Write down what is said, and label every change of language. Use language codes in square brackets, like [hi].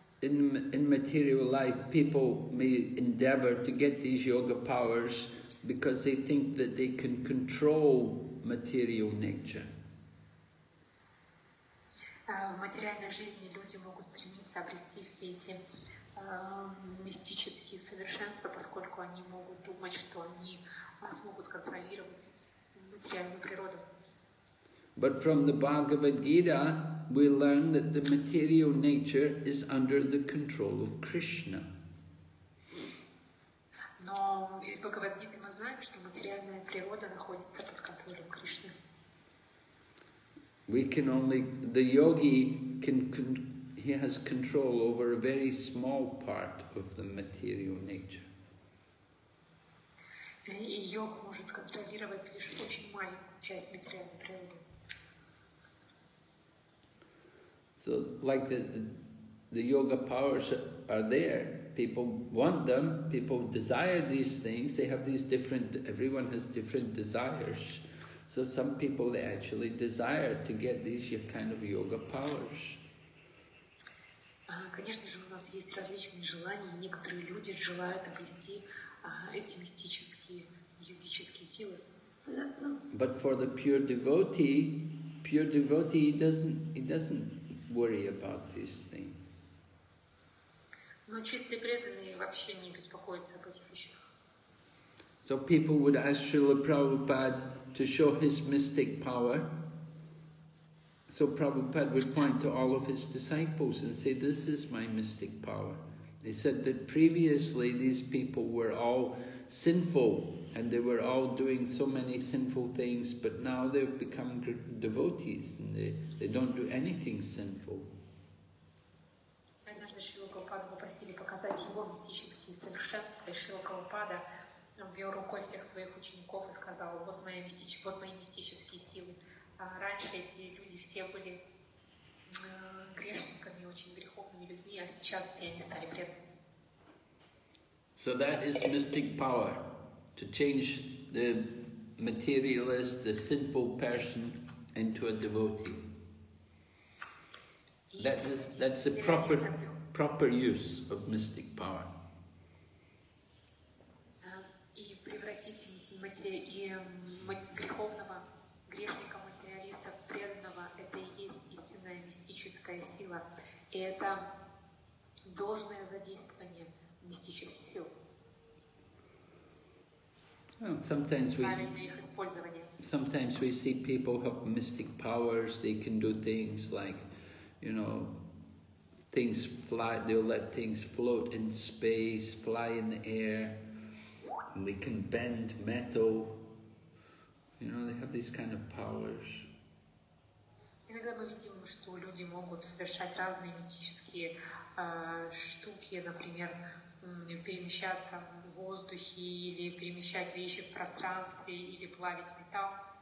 [en] In material life, people may endeavor to get these yoga powers because they think that they can control material nature. [ru] В материальной жизни люди могут стремиться обрести все эти мистические совершенства, поскольку они могут думать, что они смогут контролировать материальную природу. [en] But from the Bhagavad Gita, we learn that the material nature is under the control of Krishna. [ru] Но из Бхагавад-гиты мы знаем, что материальная природа находится под контролем Кришны. [en] We can only, the yogi can, he has control over a very small part of the material nature. [ru] Йог может контролировать лишь очень маленькую часть материальной природы. [en] So, like the yoga powers are there. People want them. People desire these things. They have these different. Everyone has different desires. So some people they actually desire to get these kind of yoga powers. [ru] Конечно же, у нас есть различные желания. Некоторые люди желают обрести эти мистические йогические силы. [en] But for the pure devotee, he doesn't worry about these things. [ru] Но чистые преданные вообще не беспокоятся об этих вещах. [en] So people would ask Srila Prabhupada to show his mystic power. So Prabhupada would point to all of his disciples and say, "This is my mystic power." They said that previously these people were all sinful and they were all doing so many sinful things, but now they've become devotees and they don't do anything sinful. [ru] Однажды Шрила Прабхупада попросили показать его мистические совершенства, и Шрила Прабхупада ввел рукой всех своих учеников и сказал, вот мои мистические силы. Раньше эти люди все были грешниками, очень греховными людьми, а сейчас все они стали преданными. [en] So that is mystic power, to change the materialist, the sinful person, into a devotee. That's the proper use of mystic power. [ru] И превратить греховного грешника материалиста в преданного, это и есть истинная мистическая сила, и это должное задействование мистических сил. [en] Sometimes we see people have mystic powers. They can do things like, you know, things fly. They'll let things float in space, fly in the air. And they can bend metal. You know, they have these kind of powers. [ru] Иногда мы видим, что люди могут совершать разные мистические штуки, например, перемещаться в воздухе или перемещать вещи в пространстве или плавить металл.